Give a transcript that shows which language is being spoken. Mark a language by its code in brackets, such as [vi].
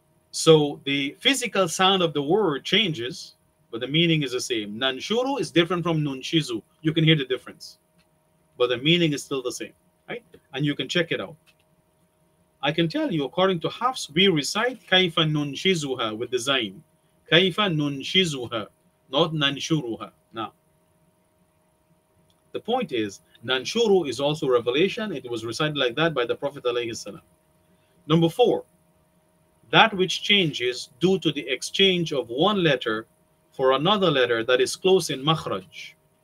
[en] So the physical sound of the word changes, but the meaning is the same. Nanshuru is different from nunshizu. You can hear the difference. But the meaning is still the same, right? And you can check it out. I can tell you, according to Hafs, we recite kaifa nunshizuha with the zayn. [ar] كَيْفَ نُنْشِزُهَا not نَنْشُرُهَا. [en] Now, the point is, نَنْشُرُ is also revelation. It was recited like that by the Prophet ﷺ. Number four, that which changes due to the exchange of one letter for another letter that is close in makhraj.